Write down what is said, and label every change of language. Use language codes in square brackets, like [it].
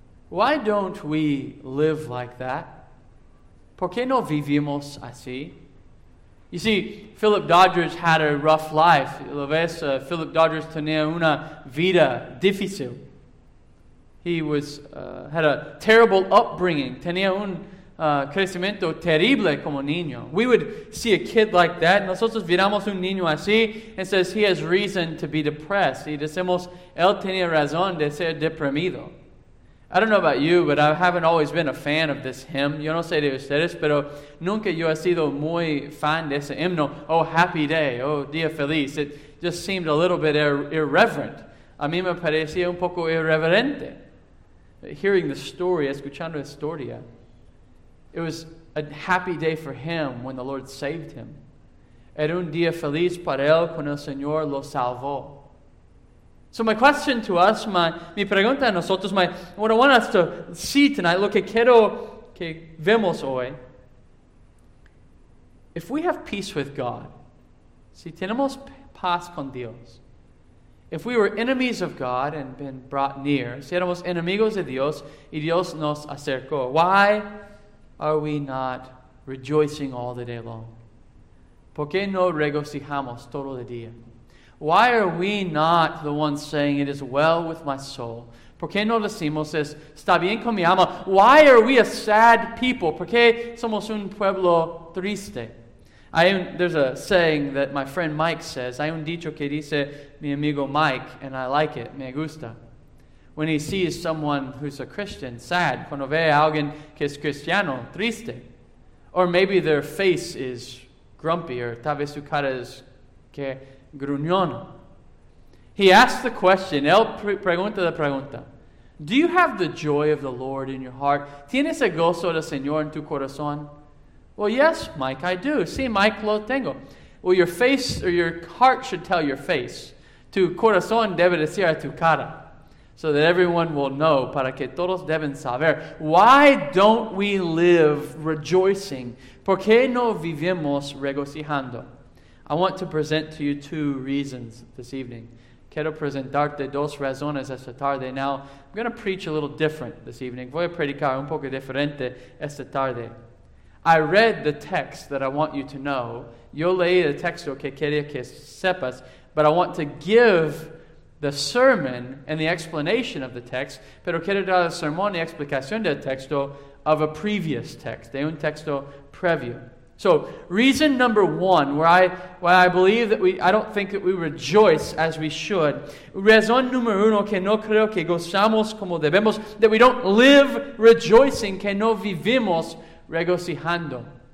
[en] Why don't we live like that? [es] ¿Por qué no vivimos así? [en] You see, Philip Doddridge had a rough life. [es] ¿Lo ves? Philip Doddridge tenía una vida difícil. [en] He was had a terrible upbringing. [es] Tenía un crecimiento terrible como niño. [en] We would see a kid like that. [es] Nosotros viramos un niño así [en] and says he has reason to be depressed. [es] Y decimos, él tenía razón de ser deprimido. [en] I don't know about you, but I haven't always been a fan of this hymn. [es] Yo no sé de ustedes, pero nunca yo he sido muy fan de ese himno. [en] Oh, happy day. [es] Oh, día feliz. [en] It just seemed a little bit irreverent. [es] A mí me parecía un poco irreverente. [en] Hearing the story, [es] escuchando la historia, [en] it was a happy day for him when the Lord saved him. [es] Era un día feliz para él cuando el Señor lo salvó. [en] So my question to us, [es] mi pregunta a nosotros, [en] what I want us to see tonight, [es] lo que quiero que vemos hoy, [en] if we have peace with God, [es] si tenemos paz con Dios, [en] if we were enemies of God and been brought near, [es] si éramos enemigos de Dios y Dios nos acercó, [en] why are we not rejoicing all the day long? [es] ¿Por qué no regocijamos todo el día? [en] Why are we not the ones saying, it is well with my soul? [es] ¿Por qué no decimos, está bien con mi alma? [en] Why are we a sad people? [es] ¿Por qué somos un pueblo triste? [en] There's a saying that my friend Mike says. [es] Hay un dicho que dice mi amigo Mike, [en] and I like it, [es] me gusta. [en] When he sees someone who's a Christian, sad. [es] Cuando ve a alguien que es cristiano, triste. [en] Or maybe their face is grumpy, or [es] tal vez su cara es que... Gruñono. [en] He asks the question, [es] él pregunta la pregunta. [en] Do you have the joy of the Lord in your heart? [es] ¿Tienes el gozo del Señor en tu corazón? [en] Well, yes, Mike, I do. [es] Sí, Mike, lo tengo. [en] Well, your face or your heart should tell your face. [es] Tu corazón debe decir a tu cara. [en] So that everyone will know, [es] para que todos deben saber. [en] Why don't we live rejoicing? [es] ¿Por qué no vivimos regocijando? [en] I want to present to you two reasons this evening. [es] Quiero presentarte dos razones esta tarde. [en] Now, I'm going to preach a little different this evening. [es] Voy a predicar un poco diferente esta tarde. [en] I read the text that I want you to know. [es] Yo leí el texto que quería que sepas. [en] But I want to give the sermon and the explanation of the text. [es] Pero quiero dar el sermón y explicación del texto [en] of a previous text. [es] De un texto previo. [en] So, reason number one, why I don't think that we rejoice as we should. [es] Razón número uno, que no creo que gozamos como debemos, [en] that we don't live rejoicing, [es] que no vivimos regocijando.